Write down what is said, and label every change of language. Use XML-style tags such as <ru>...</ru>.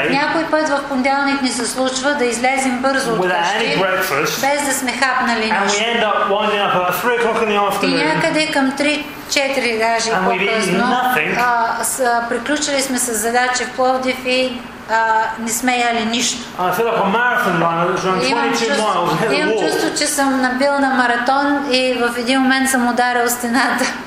<bg>Някой път в понеделник ни се случва да излезем бързо от къщи, без да сме хапнали нещо. И някъде към 3-4 даже по-късно, приключили сме с задача в Пловдив и не сме яли нищо.</bg> <en>I feel like a marathon runner that's run 22 miles.</en> <bg>Имам чувство, че съм набил на маратон и в един момент съм ударил стената.</bg>